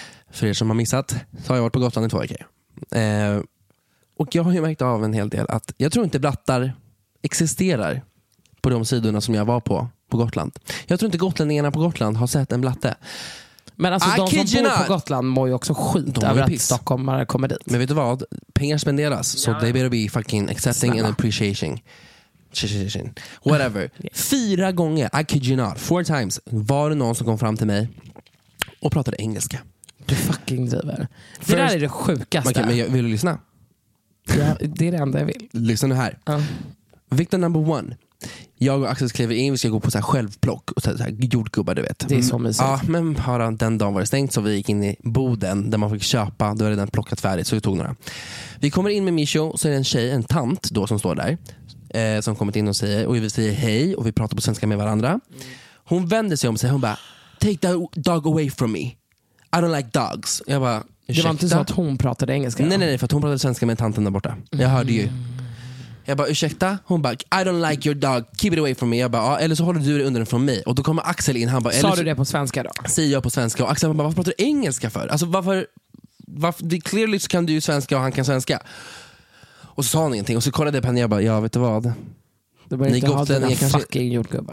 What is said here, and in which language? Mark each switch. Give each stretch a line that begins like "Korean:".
Swedish: För er som har missat, så har jag varit på Gotland i 2 veckor. Och jag har ju märkt av en hel del att jag tror inte brattar existerar på de sidorna som jag var på Gotland. Jag tror inte gotlänningarna på Gotland har sett en blatte. Men alltså de som bor på Gotland mår ju också skit över att stockholmare kommer dit. Men vet du vad? Pengar spenderas.
English: Så they better be fucking accepting and appreciating. Whatever.
Swedish: 4 gånger,
English: I kid you not, 4 times
Swedish: var det någon som kom fram till mig och pratade engelska. Du fucking driver. First, det där är det sjukaste. Okay, men jag, vill du lyssna? Ja, det är det enda jag vill. Lyssna nu här. Victor
English: number one.
Swedish: Jag och Axel kliver in, vi ska gå på så här självplock och så här jordgubbar, du vet. Det är så mysigt. Ja, men bara den dagen var det stängt så vi gick in i boden där man fick köpa. Då var det den plockat färdigt så vi tog några. Vi kommer in med Micho, så är det en tjej, en tant då som står där. Som kommit in och säger, och vi säger hej och vi pratar på svenska med varandra. Hon vänder sig om och säger, hon bara,
English: take that dog away from me, I don't like dogs.
Swedish: Jag bara, ursäkta. Det var inte så att hon pratade engelska. Nej, för att hon pratade svenska med tanten där borta. Jag hörde ju. Jag bara, ursäkta. Hon bara,
English: I don't like your dog, keep it away from me.
Swedish: Jag bara, eller så håller du det under den från mig. Och då kommer Axel in, han bara, sa du det på svenska då? Säger jag på svenska. Och Axel bara, varför pratar du engelska för? Alltså varför det, clearly så kan du ju svenska och han kan svenska. Och så sa han ingenting. Och så kollade jag på henne och jag bara, ja, vet du vad? Det var inte en kanske... fucking jordgubbe.